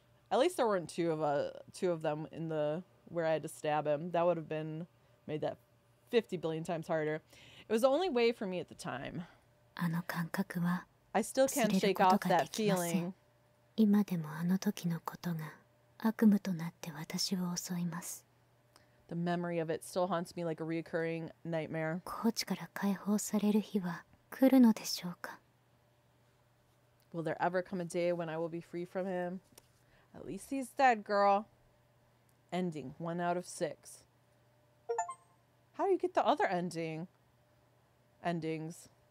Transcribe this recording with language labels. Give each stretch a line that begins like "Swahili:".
English: At least there weren't two of them in the where I had to stab him. That would have been made that 50 billion times harder. It was the only way for me at the time.
Japanese: あの感覚は、
English: I still can't shake off that feeling.
Japanese: 今でもあの時のことが悪夢となって私を襲います。
English: The memory of it still haunts me like a reoccurring nightmare.
Japanese: コーチから解放される日は来るのでしょうか?
English: Will there ever come a day when I will be free from him? At least he's dead, girl. Ending. 1 out of 6. How do you get the other ending? Endings.